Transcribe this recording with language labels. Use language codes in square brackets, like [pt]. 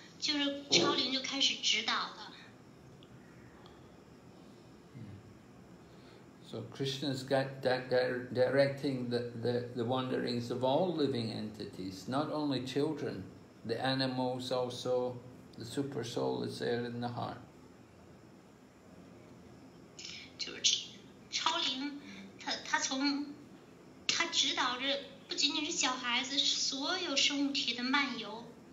[zh] 就是超灵就开始指导了。 [en] So Krishna is directing the wanderings of all living entities, not only children, the animals also, the super soul is there in the heart. [zh] 就是超灵，他指导着不仅仅是小孩子，所有生物体的漫游。